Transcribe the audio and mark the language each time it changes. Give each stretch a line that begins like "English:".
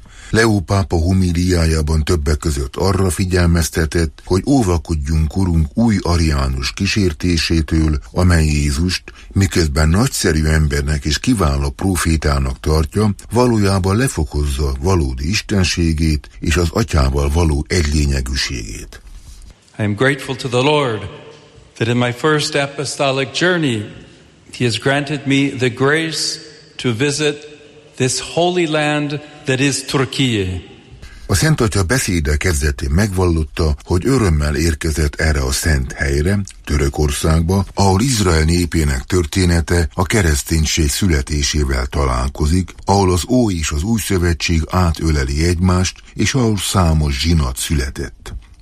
Hungarian: Leo pápa homíliájában többek között arra figyelmeztetett, hogy óvakodjunk korunk új ariánus kísértésétől, amely Jézust, miközben nagyszerű embernek és kiváló prófétának tartja, valójában lefokozza valódi istenségét és az atyával való egylényegűségét.
English: I am grateful to the Lord that in my first apostolic journey he has granted me the grace to visit this holy land that is Turkey.
Hungarian: A Szent Atya beszéde kezdetén megvallotta, hogy örömmel érkezett erre a szent helyre, Törökországba, ahol Izrael népének története a kereszténység születésével találkozik, ahol az Ó és az Új Szövetség átöleli egymást, és ahol számos zsinat született.